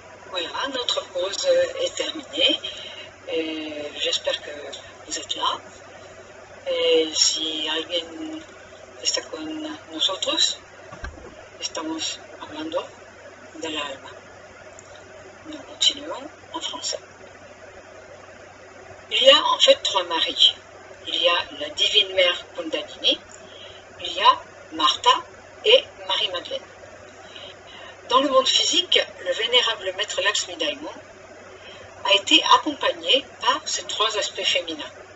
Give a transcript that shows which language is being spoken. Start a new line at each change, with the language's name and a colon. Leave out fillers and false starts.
French: Voilà, notre pause est terminée. J'espère que vous êtes là. Et
Spanish: si alguien está con nosotros, estamos hablando de l'alma.
French: Nous continuons en français. Il y a en fait trois Maries. Il y a la divine mère Kundalini, il y a Martha et Marie-Madeleine. Dans le monde physique, le vénérable maître Lakshmi Daimon a été accompagnée par ces trois aspects féminins.